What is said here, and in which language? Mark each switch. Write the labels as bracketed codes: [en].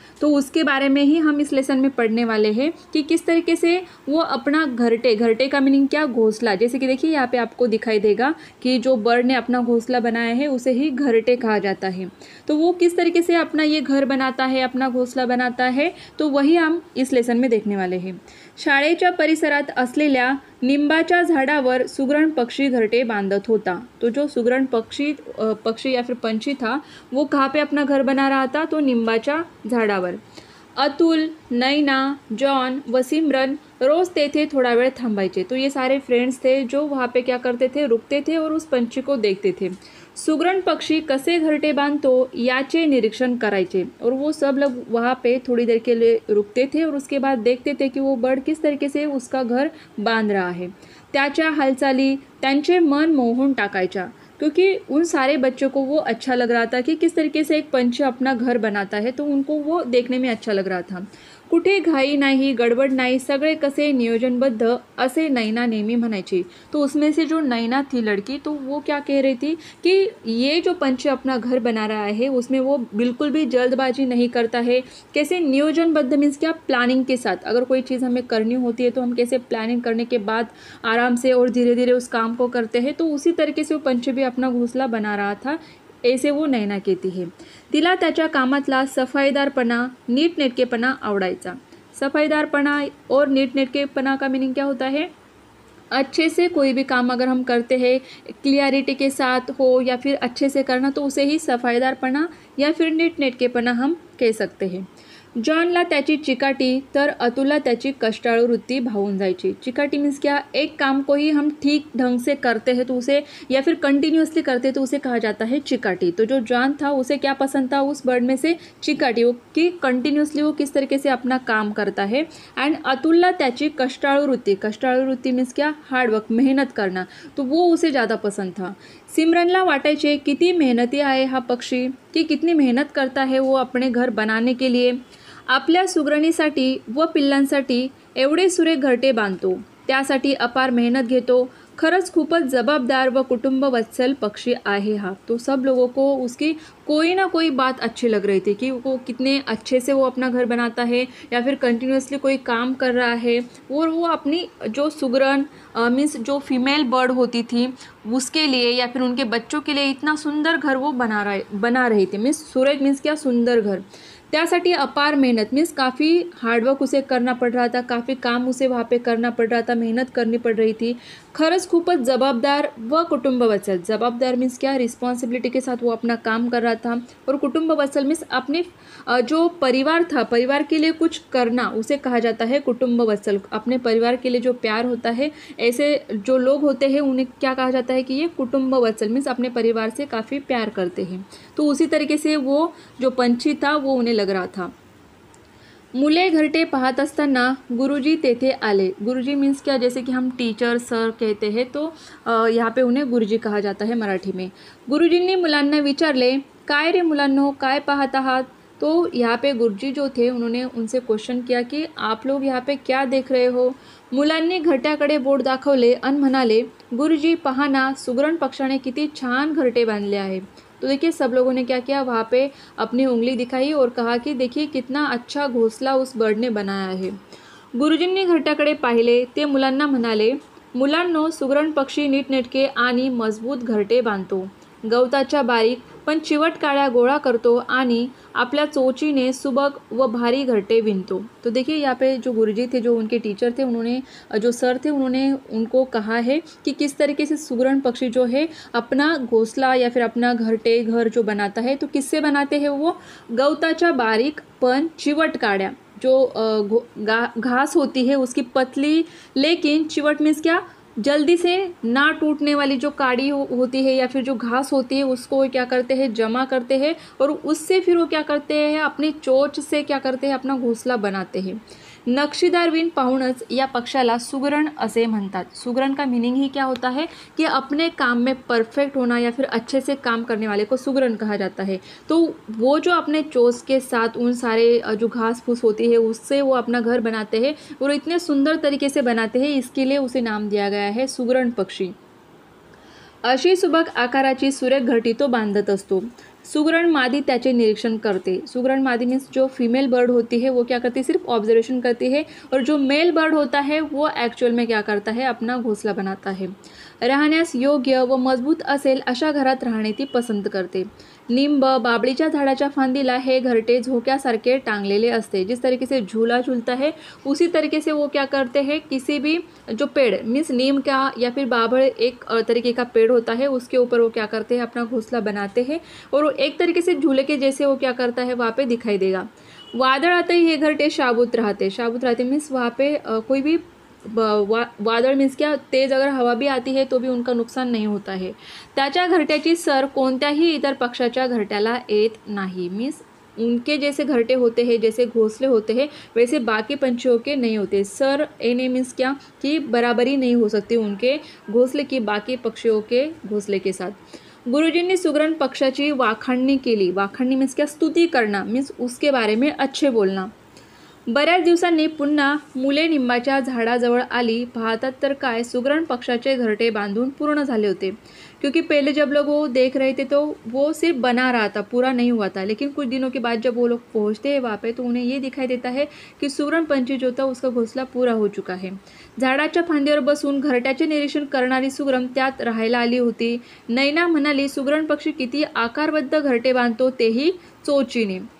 [hi] तो उसके बारे में ही हम इस लेसन में पढ़ने वाले हैं कि किस तरीके से वो अपना घरटे का मीनिंग क्या, घोंसला। जैसे कि देखिए यहाँ पे आपको दिखाई देगा कि जो बर्ड ने अपना घोंसला बनाया है उसे ही घरटे कहा जाता है। तो वो किस तरीके से अपना ये घर बनाता है, अपना घोंसला बनाता है, तो वही हम इस लेसन में देखने वाले हैं। [mr] शाळेच्या परिसरात असलेल्या निंबाच्या झाडावर सुगरण पक्षी घरटे बांधत होता। [hi] तो जो सुगरण पक्षी या फिर पंछी था वो कहाँ पे अपना घर बना रहा था? तो [mr] निंबाच्या झाडावर। अतुल, नैना, जॉन व सिमरन रोज तेथे थोड़ा वेळ थांबायचे। [hi] तो ये सारे फ्रेंड्स थे जो वहाँ पे क्या करते थे, रुकते थे और उस पंछी को देखते थे। [mr] सुगरण पक्षी कसे घरटे बांधतो याचे निरीक्षण करायचे। [hi] और वो सब लोग वहाँ पे थोड़ी देर के लिए रुकते थे और उसके बाद देखते थे कि वो बर्ड किस तरीके से उसका घर बांध रहा है। [mr] त्याच्या हालचाली त्यांचे मन मोहून टाकायचा, [hi] क्योंकि उन सारे बच्चों को वो अच्छा लग रहा था कि किस तरीके से एक पंछी अपना घर बनाता है, तो उनको वो देखने में अच्छा लग रहा था। [mr] कुठे घाई नाही, गड़बड़ नाही, सगळे कसे नियोजनबद्ध असे नैना नेहमी म्हणायची। [hi] तो उसमें से जो नैना थी लड़की, तो वो क्या कह रही थी कि ये जो पंछी अपना घर बना रहा है उसमें वो बिल्कुल भी जल्दबाजी नहीं करता है। कैसे नियोजनबद्ध मीन्स क्या, प्लानिंग के साथ। अगर कोई चीज़ हमें करनी होती है तो हम कैसे प्लानिंग करने के बाद आराम से और धीरे धीरे उस काम को करते हैं, तो उसी तरीके से वो पंछी भी अपना घोंसला बना रहा था, ऐसे वो नैना कहती है। [mr] तिला त्याच्या कामातला सफाईदारपणा नीटनेटकेपणा आवडायचा। [hi] सफाईदारपणा और नीटनेटकेपणा का मीनिंग क्या होता है? अच्छे से कोई भी काम अगर हम करते हैं क्लियरिटी के साथ हो या फिर अच्छे से करना, तो उसे ही सफाईदारपणा या फिर नीटनेटकेपणा हम कह सकते हैं। [mr] जॉनला त्याची चिकाटी तर अतुलला त्याची कष्टाळू वृत्ती भावून जायची। [hi] चिकाटी मीन्स क्या, एक काम को ही हम ठीक ढंग से करते हैं तो उसे, या फिर कंटिन्यूअसली करते हैं तो उसे कहा जाता है चिकाटी। तो जो जॉन था उसे क्या पसंद था उस बर्ड में से? चिकाटी, कि कंटिन्यूअसली वो किस तरीके से अपना काम करता है। एंड [mr] अतुलला त्याची कष्टाळू वृत्ती, कष्टाळू वृत्ती [hi] मीन्स क्या, हार्डवर्क, मेहनत करना, तो वो उसे ज़्यादा पसंद था। [mr] सिमरनला वाटायचे किती मेहनती आहे हा पक्षी, [hi] कि कितनी मेहनत करता है वो अपने घर बनाने के लिए। [mr] आपल्या सुगरणीसाठी व पिल्लांसाठी एवढे सुरे घरटे बांधतो, त्यासाठी अपार मेहनत घेतो, खरंच खूपच जबाबदार व कुटुंब वत्सल पक्षी आहे हा। [hi] तो सब लोगों को उसकी कोई ना कोई बात अच्छी लग रही थी कि वो कितने अच्छे से वो अपना घर बनाता है या फिर कंटिन्यूअसली कोई काम कर रहा है। और वो अपनी जो सुगरण मीन्स जो फीमेल बर्ड होती थी उसके लिए या फिर उनके बच्चों के लिए इतना सुंदर घर वो बना रहे थे। मीन्स सुरेज मीन्स क्या, सुंदर घर। [mr] त्यासाठी अपार मेहनत [hi] मीन्स काफ़ी हार्डवर्क उसे करना पड़ रहा था, काफ़ी काम उसे वहाँ पे करना पड़ रहा था, मेहनत करनी पड़ रही थी। [mr] खरच खूपच जबाबदार व कुटुंब वत्सल, [hi] जबाबदार मीन्स क्या, रिस्पॉन्सिबिलिटी के साथ वो अपना काम कर रहा था। और कुटुंब वत्सल मीन्स अपने जो परिवार था, परिवार के लिए कुछ करना, उसे कहा जाता है कुटुंब वत्सल। अपने परिवार के लिए जो प्यार होता है, ऐसे जो लोग होते हैं उन्हें क्या कहा जाता है कि ये कुटुंब वत्सल, मीन्स अपने परिवार से काफ़ी प्यार करते हैं। तो उसी तरीके से वो जो पंछी था वो उन्हें लग रहा था। [mr] मुले घरटे पाहत असताना गुरुजी तेथे आले। [hi] गुरुजी मीन्स क्या, जैसे कि हम टीचर सर कहते हैं, तो यहाँ पे उन्हें गुरुजी कहा जाता है मराठी में। [mr] गुरुजी ने मुलांना विचारले काय रे मुलांनो काय पाहत आहात। [hi] तो यहाँ पे गुरुजी जो थे उन्होंने उनसे क्वेश्चन किया कि आप लोग यहाँ पे क्या देख रहे हो। [mr] मुलांनी घरट्याकडे बोट दाखवले अन म्हणाले गुरुजी पहाना सुगरण पक्षाने किती छान घरटे बांधले आहे। [hi] तो देखिए सब लोगों ने क्या किया, वहाँ पे अपनी उंगली दिखाई और कहा कि देखिए कितना अच्छा घोंसला उस बर्ड ने बनाया है। [mr] गुरुजींनी घरट्याकडे पाहिले ते मुलांना म्हणाले मुलांनो सुगरण पक्षी नीटनेटके आणि मजबूत घरटे बांधतो, गवताच्या बारीक पण चिवट काळ्या गोळा करतो आणि आपल्या चोचीने सुबक व भारी घरटे विणतो। [hi] तो देखिए यहाँ पे जो गुरुजी थे, जो उनके टीचर थे, उन्होंने जो सर थे उन्होंने उनको कहा है कि किस तरीके से सुगरण पक्षी जो है अपना घोंसला या फिर अपना घरटे घर जो बनाता है तो किससे बनाते हैं, वो [mr] गवताच्या बारीक पण चिवट काळ्या, [hi] जो घास होती है उसकी पतली लेकिन चिवट मीन्स क्या, जल्दी से ना टूटने वाली जो काड़ी होती है या फिर जो घास होती है उसको क्या करते हैं, जमा करते हैं, और उससे फिर वो क्या करते हैं, अपनी चोच से क्या करते हैं, अपना घोंसला बनाते हैं। [mr] नक्शीदार बीन पाहुणच या पक्षाला सुगरण असे म्हणतात। [hi] सुगरण का मीनिंग ही क्या होता है कि अपने काम में परफेक्ट होना या फिर अच्छे से काम करने वाले को सुगरण कहा जाता है। तो वो जो अपने चोच के साथ उन सारे जो घास फूस होती है उससे वो अपना घर बनाते हैं और इतने सुंदर तरीके से बनाते हैं, इसके लिए उसे नाम दिया गया है सुगरण पक्षी। [mr] अशी सुबक आकाराची सुरेख घरटी तो बांधत असतो। सुगरण मादी त्याचे निरीक्षण करते। [hi] सुगरण मादी मीन्स जो फीमेल बर्ड होती है वो क्या करती है, सिर्फ ऑब्जर्वेशन करती है, और जो मेल बर्ड होता है वो एक्चुअल में क्या करता है, अपना घोंसला बनाता है। [mr] राहण्यास योग्य व मजबूत असेल अशा घरात राहणे ती पसंत करते। निंब बाबळीच्या झाडाच्या फांदीला हे घरटे झोक्यासारखे टांगलेले असते। [hi] जिस तरीके से झूला झूलता है उसी तरीके से वो क्या करते हैं, किसी भी जो पेड़ मीन्स नीम का या फिर बाबळ एक तरीके का पेड़ होता है उसके ऊपर वो क्या करते हैं, अपना घोंसला बनाते हैं और एक तरीके से झूले के जैसे वो क्या करता है वहाँ पर दिखाई देगा। वादळ आते ही ये घरटे शाबूत रहते। शाबूत रहते मीन्स वहाँ पर कोई भी वादळ मीन्स क्या, तेज अगर हवा भी आती है तो भी उनका नुकसान नहीं होता है। [mr] त्याच्या घरट्याची सर कोणत्याही इतर पक्षाच्या घरट्याला येत नाही। [hi] मीन्स उनके जैसे घरटे होते हैं, जैसे घोंसले होते हैं, वैसे बाकी पंछियों के नहीं होते। सर एने मीन्स क्या कि बराबरी नहीं हो सकती उनके घोंसले की बाकी पक्षियों के घोंसले के साथ। [mr] गुरुजी ने सुगरण पक्षाची वाखाणनी केली। [hi] वाखाणनी मीन्स क्या, स्तुति करना, मीन्स उसके बारे में अच्छे बोलना। [mr] बऱ्याच दिवसांनी पुन्हा मुले निंबाच्या झाडाजवळ आली। पाहतात तर काय, सुगरण पक्षाचे घरटे बांधून पूर्ण झाले होते। [hi] क्योंकि पहले जब लोग वो देख रहे थे तो वो सिर्फ बना रहा था, पूरा नहीं हुआ था, लेकिन कुछ दिनों के बाद जब वो लोग पहुँचते हैं वहाँ पे तो उन्हें ये दिखाई देता है कि सुगरण पंछी जो था उसका घोंसला पूरा हो चुका है। [mr] झाडाच्या फांदीवर बसून घरट्याचे निरीक्षण करणारी सुगरण त्यात राहायला आली होती। नैना म्हणाली, सुगरण पक्षी किती आकारबद्ध घरटे बांधतो तेही चोचीने।